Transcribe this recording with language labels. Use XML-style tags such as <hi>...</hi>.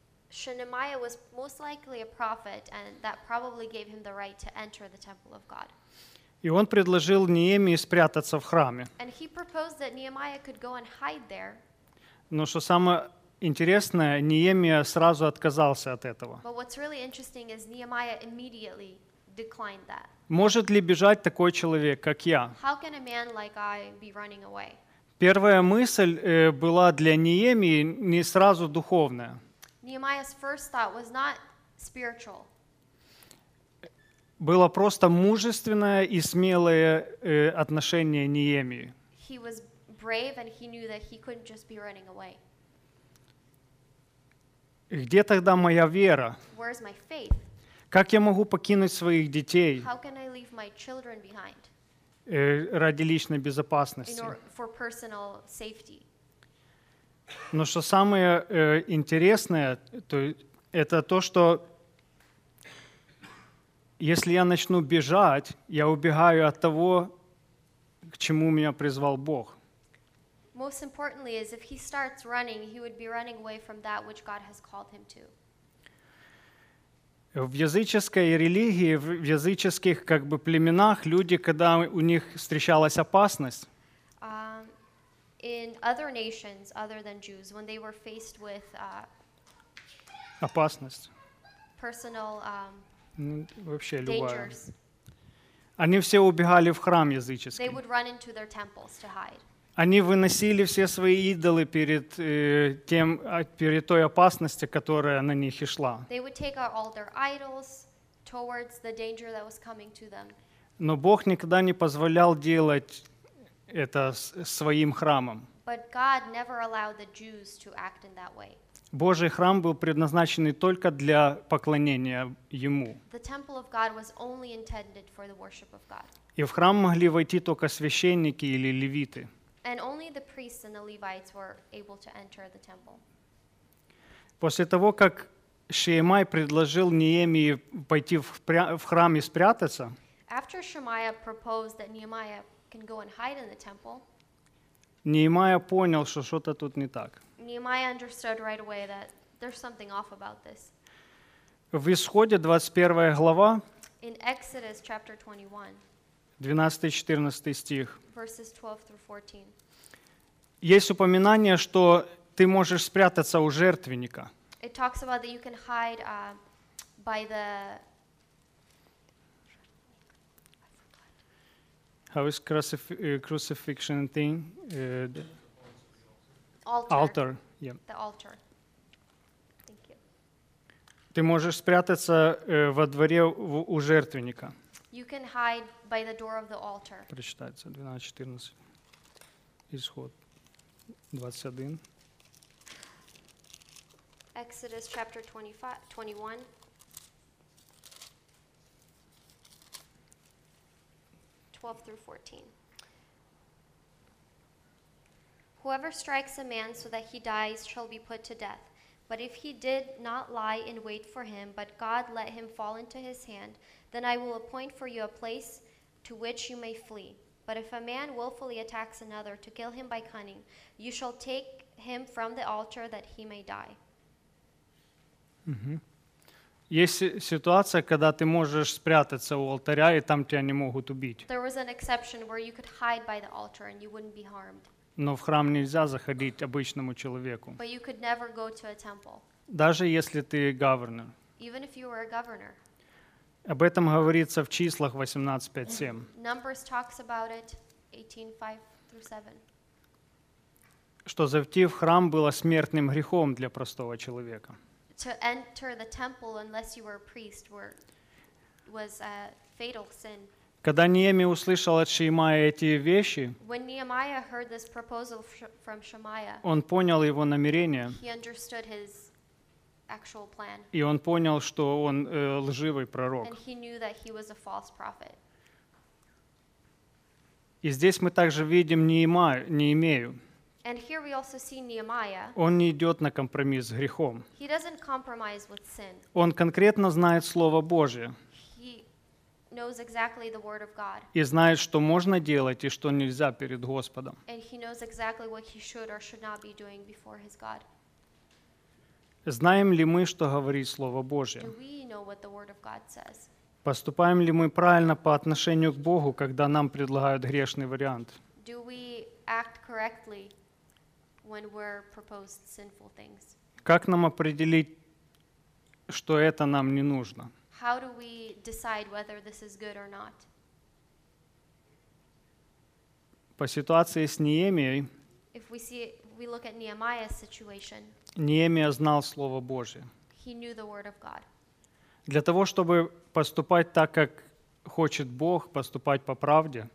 <en>Shemaiah was most likely a prophet, and that probably gave him the right to enter the temple of God.</en> <ru>И он предложил Неемии спрятаться в храме.</ru> <en>And he proposed that Nehemiah could go and hide there.</en> <ru>Но что самое интересное, Неемия сразу отказался от этого.</ru> <en>But what's really interesting is Nehemiah immediately declined that.</en> <ru>Может ли бежать такой человек, как я?</ru> <en>How can a man like I be running away?</en> <ru>Первая мысль была для Неемии не сразу духовная.</ru> <en>Nehemiah's first thought was not spiritual.</en> <ru>Было просто мужественное и смелое отношение Неемии.</ru> <en>He was brave and he knew that he couldn't just be running away.</en> <ru>Где тогда моя вера?</ru> <en>Where's my faith?</en> <ru>Как я могу покинуть своих детей?</ru> <en>How can I leave my children behind?</en> <ru>Ради личной безопасности.</ru> <en>In order for personal safety.</en> <ru>Но что самое интересное, то это то, что если я начну бежать, я убегаю от того, к чему меня призвал Бог.</ru> <en>Most importantly is if he starts running, he would be running away from that which God has called him to.</en> <ru>В языческой религии, в языческих как бы племенах, люди, когда у них встречалась опасность,</ru> <en>in other nations, other than Jews, when they were faced with</en> <ru>опасность,</ru> <en>personal</en> <ru>вообще</ru> <en>dangers,</en> <ru>они все убегали в храм языческий.</ru> <en>They would run into their temples to hide.</en> <ru>Они выносили все свои идолы перед тем, перед той опасностью, которая на них и шла.</ru> <en>They would take out all their idols towards the danger that was coming to them.</en> <ru>Но Бог никогда не позволял делать это своим храмом.</ru> <en>But God never allowed the Jews to act in that way.</en> <ru>Божий храм был предназначен только для поклонения Ему.</ru> <en>The temple of God was only intended for the worship of God.</en> <ru>И в храм могли войти только священники или левиты.</ru> <en>And only the priests and the Levites were able to enter the temple.</en> <ru>После того, как Шемай предложил Неемии пойти в храм и спрятаться,</ru> <en>after Shemaiah proposed that Nehemiah can go and hide in the temple,</en> <ru>Неемия понял, что что-то тут не так.</ru> <en>Nehemiah understood right away that there's something off about this.</en> <ru>В Исходе 21 глава,</ru> <en>in Exodus chapter 21,</en> <ru>12-14 стих.</ru> <en>Verses 12-14.</en> <ru>Есть упоминание, что ты можешь спрятаться у жертвенника.</ru> <en>It talks about that you can hide by the... How is crucifixion thing? The altar. Altar. Yeah. The altar. Thank you.</en> <ru>Ты можешь спрятаться во дворе у жертвенника.</ru> <en>You can hide by the door of the altar.</en> <ru>Прочитается 12-14. Исход. 21.</ru> <en>Exodus chapter 21:12-14. Whoever strikes a man so that he dies shall be put to death. But if he did not lie in wait for him, but God let him fall into his hand, then I will appoint for you a place to which you may flee. But if a man willfully attacks another to kill him by cunning, you shall take him from the altar that he may die. Mm-hmm.</en> <ru>Есть ситуация, когда ты можешь спрятаться у алтаря, и там тебя не могут убить.</ru> <en>There was an exception where you could hide by the altar and you wouldn't be harmed.</en> <ru>Но в храм нельзя заходить обычному человеку.</ru> <en>But you could never go to a temple.</en> <ru>Даже если ты governor.</ru> <en>Even if you were a governor.</en> <ru>Об этом говорится в числах 18:5-7.</ru> <en>Numbers talks about it, 18:5-7.</en> <ru>Что зайти в храм было смертным грехом для простого человека.</ru> <en>To enter the temple unless you were a priest was a fatal sin.</en> <ru>Когда Неемия услышал от Шемаи эти вещи,</ru> <en>when Nehemiah heard this proposal from Shemaiah,</en> <ru>он понял его намерение.</ru> <en>He understood his actual plan.</en> <ru>И он понял, что он лживый пророк.</ru> <en>And he knew that he was a false prophet.</en> <ru>И здесь мы также видим Неемию.</ru> <en>And here we also see Nehemiah.</en> <ru>Он не идет на компромисс с грехом.</ru> <en>He doesn't compromise with sin.</en> <ru>Он конкретно знает Слово Божие.</ru> <en>He knows exactly the word of God.</en> <ru>И знает, что можно делать и что нельзя перед Господом.</ru> <en>And he knows exactly what he should or should not be doing before his God.</en> <ru>Знаем ли мы, что говорит Слово Божье?</ru> <en>Do we know what the Word of God says?</en> <ru>Поступаем ли мы правильно по отношению к Богу, когда нам предлагают грешный вариант?</ru> <en>Do we act correctly when we're proposed sinful things?</en> <ru>Как нам определить, что это нам не нужно?</ru> <en>How do we decide whether this is good or not?</en> <ru>По ситуации с Неемией,</ru> <en>if we see, we look at Nehemiah's situation,</en> <ru>Неемия знал Слово Божие.</ru> <en>He knew the Word of God.</en> <ru>Для того, чтобы поступать так, как хочет Бог, поступать по правде,</ru>